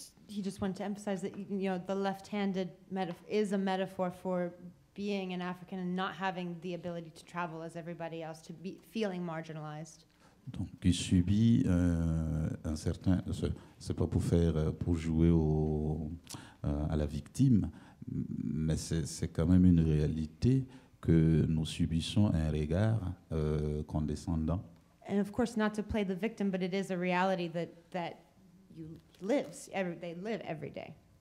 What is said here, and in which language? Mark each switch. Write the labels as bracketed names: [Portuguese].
[English] He just wanted to emphasize that the left-handed is a metaphor for being an African and not having the ability to travel as everybody else, to be feeling marginalized. [French] Donc, il subit un certain. C'est pas pour jouer à la victime, Mais c'est quand même une réalité que nous subissons un regard condescendant. [English] And of course, not to play the victim, but it is a reality that you live, they live every day.